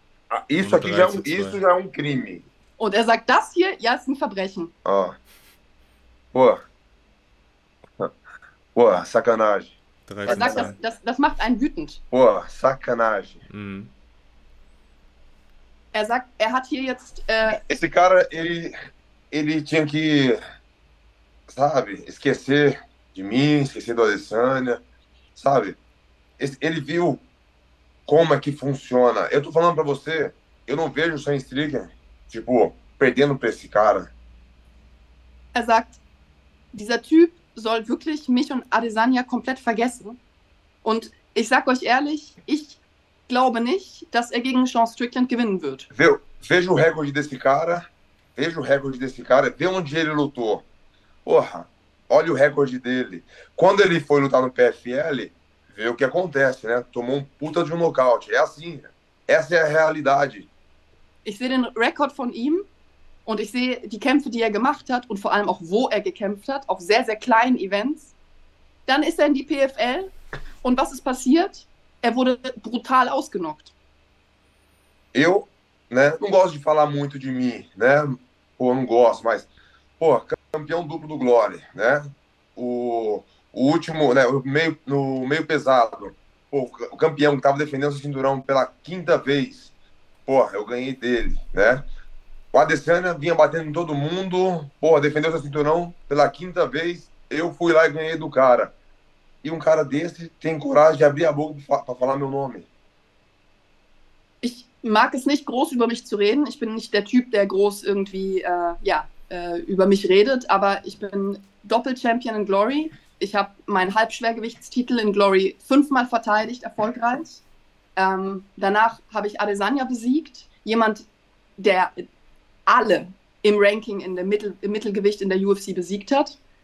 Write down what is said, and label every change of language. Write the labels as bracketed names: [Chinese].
[Portuguese] Ah, isso aqui já, isso já é um crime. [German] Und er sagt das hier, ja, ist ein Verbrechen. Oh. Boah. Boah, [Portuguese] Sacanagem. [German] Er sagt, das macht einen wütend. Boah, [Portuguese] Sacanagem. [German] Er sagt, er hat hier jetzt... [Portuguese] Esse cara, ele tinha que, sabe, esquecer de mim, esquecer do Adesanya, sabe? Ele viu como é que funciona. Eu tô falando pra você, eu não vejo o Sean Strickland, tipo, perdendo pra esse cara. [German] Er sagt, dieser Typ soll wirklich mich und Adesanya komplett vergessen. Und ich sag euch ehrlich, ich glaube nicht, dass er gegen Sean Strickland gewinnen wird. [Portuguese] Veja o recorde desse cara, veja o recorde desse cara, vê onde ele lutou. Porra, olha o recorde dele. Quando ele foi lutar no PFL, vê o que acontece, né? Tomou um puta de um nocaute. É assim, essa é a realidade. [German] Ich sehe den Rekord von ihm und ich sehe die Kämpfe, die er gemacht hat und vor allem auch, wo er gekämpft hat, auf sehr, sehr kleinen Events. Dann ist er in die PFL und was ist passiert? Er wurde brutal ausgenockt. [Portuguese] Eu, né, não gosto de falar muito de mim, né? Pô, não gosto, mas, pô, campeão duplo do Glory, né? O último, né, no meio pesado, pô, o campeão que tava defendendo o cinturão pela quinta vez. Porra, eu ganhei dele, né? O Adesanya vinha batendo em todo mundo, porra, defendeu seu cinturão pela quinta vez, eu fui lá e ganhei do cara. E cara desse tem coragem de abrir a boca pra falar meu nome. [German] Ich mag es nicht, groß über mich zu reden. Ich bin nicht der Typ, der groß irgendwie über mich redet, aber ich bin Doppel-Champion in Glory. Ich habe meinen Halbschwergewichtstitel in Glory 5-mal verteidigt, erfolgreich. Danach habe ich Adesanya besiegt, jemand, der alle im Ranking in der im Mittelgewicht in der UFC besiegt hat.